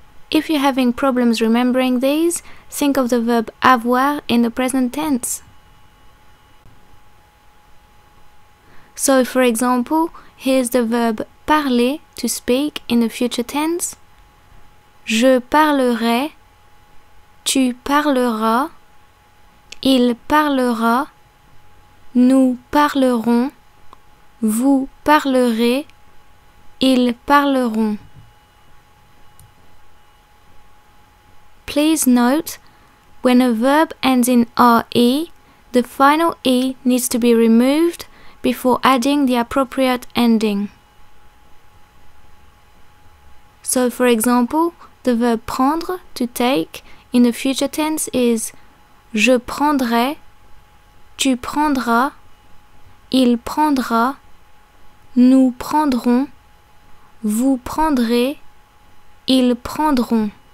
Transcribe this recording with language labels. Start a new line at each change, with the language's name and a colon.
English: If you're having problems remembering these, think of the verb avoir in the present tense. So, for example, here's the verb parler, to speak, in the future tense.
French: Je parlerai, tu parleras, il parlera, nous parlerons, vous parlerez, ils parleront.
English: Please note, when a verb ends in RE, the final E needs to be removed before adding the appropriate ending. So, for example, the verb prendre, to take, in the future tense is
French: je prendrai, tu prendras, il prendra, nous prendrons, vous prendrez, ils prendront.